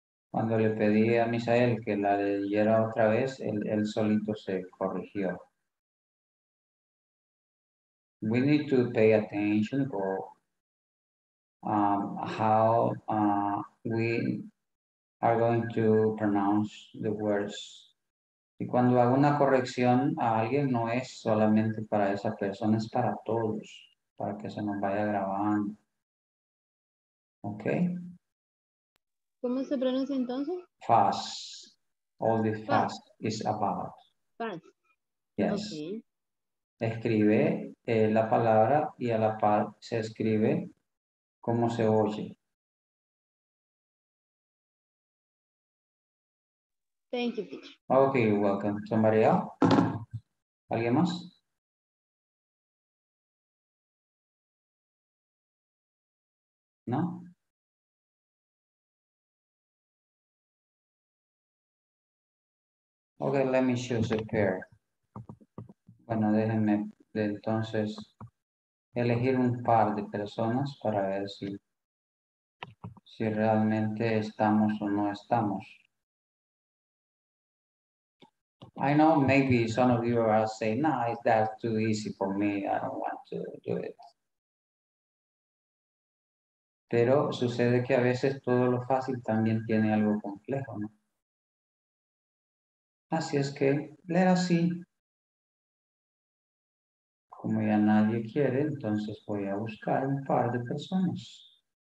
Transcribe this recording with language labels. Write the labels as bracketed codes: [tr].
[es] Cuando le pedí a Miss Ayel que la leyera otra vez, él solito se corrigió. [en] We need to pay attention for how we are going to pronounce the words. [es] Y cuando hago una corrección a alguien, no es solamente para esa persona, es para todos, para que se nos vaya grabando. [en] Okay. [es] ¿Cómo se pronuncia entonces? [en] Fast. All the fast is about. Fast. Yes. Okay. [es] Escribe la palabra y a la par se escribe como se oye. [en] Thank you, teacher. Okay, you're welcome. Somebody else? [es] ¿Alguien más? ¿No? [en] Okay, let me choose a pair. [es] Bueno, déjenme de entonces elegir un par de personas para ver si realmente estamos o no estamos. [en] I know maybe some of you are saying, no, nah, that's too easy for me, I don't want to do it. [es] Pero sucede que a veces todo lo fácil también tiene algo complejo, ¿no? Así es que, [en] let us see. [es] Como ya nadie quiere, entonces voy a buscar un par de personas.